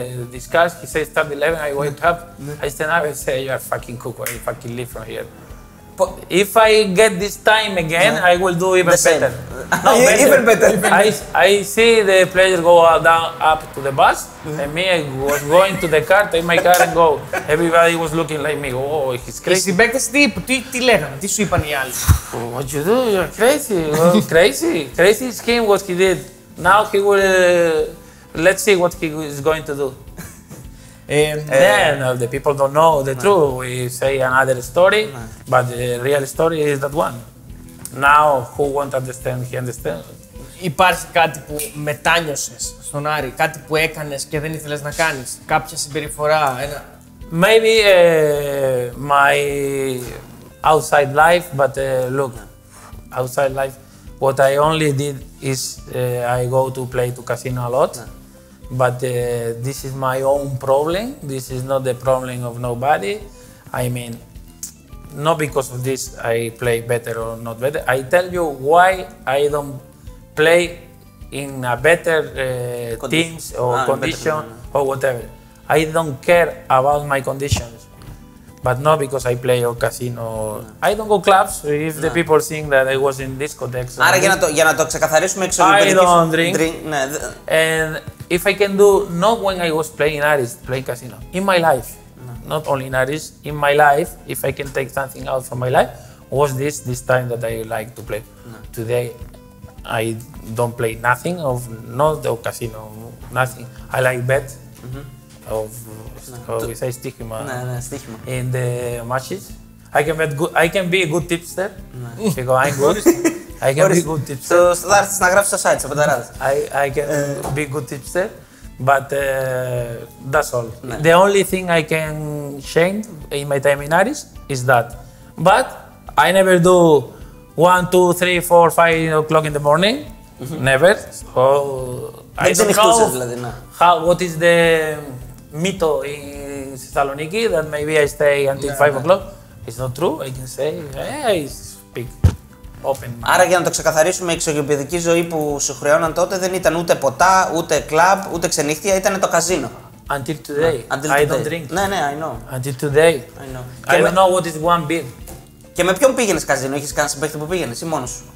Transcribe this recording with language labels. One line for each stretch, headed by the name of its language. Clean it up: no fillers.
English: Discussed, he said, start 11, I wake up. I stand up and say, you are fucking cuckoo, I fucking leave from here. If I get this time again, I will do even better. No, better. Even better. I see the players go down up to the bus, and me, I was going to the car, take my car and go. Everybody was looking like me. Oh, he's crazy.
Greek: Οι συμπαίκτες τι λέγανε, τι σου είπαν οι άλλοι.
English: What you do, you're crazy. Crazy. Crazy is him, what he did. Now he will... Let's see what he is going to do. And then the people don't know the truth. We say another story, but the real story is that one. Now, who won't understand, he understands.
Greek: Υπάρχει κάτι που μετάνιωσες στον Άρη, κάτι που έκανες και δεν ήθελες να κάνεις, κάποια συμπεριφορά, ένα...
English: Maybe my outside life, but look, outside life, what I only did is I go to play to casino a lot. But this is my own problem. This is not the problem of nobody. I mean, not because of this I play better or not better. I tell you why I don't play in a better teams or condition or whatever. I don't care about my conditions, but not because I play or casino. I don't go clubs if the people think that I was in discotheques.
Greek: Άρα για να το ξεκαθαρίσουμε εξωτερικά.
English: I don't drink. And if I can do, not when I was playing in Aris, playing casino, in my life, not only in Aris, in my life, if I can take something out from my life, was this time that I like to play. Today, I don't play nothing, not the casino, nothing. I like bet of, how we say, stichima. Stichima. In the matches. I can be a good tipster, because I'm good. I can be good tipster.
Greek: Στο δάρτης να γράψεις στο site, σε πενταράδες.
English: I can be good tipster, but that's all. The only thing I can change in my time in Aris is that. But I never do 1, 2, 3, 4, 5 o'clock in the morning. Never. So, I don't know δηλαδή, what is the mytho in Thessaloniki that maybe I stay until 5 o'clock. It's not true, I can say, hey, speak. Open.
Greek: Άρα για να το ξεκαθαρίσουμε, η εξωγηπαιδική ζωή που σου χρεώναν τότε δεν ήταν ούτε ποτά, ούτε κλαμπ, ούτε ξενύχτια, ήταν το καζίνο.
English: Until today. Yeah. Until today. I don't drink.
Greek: Ναι, ναι,
English: I know. Until today. I know. I don't know what is one beer.
Greek: Και με ποιον πήγαινες καζίνο, είχες κανένα παίκτη που πήγαινες ή μόνος σου?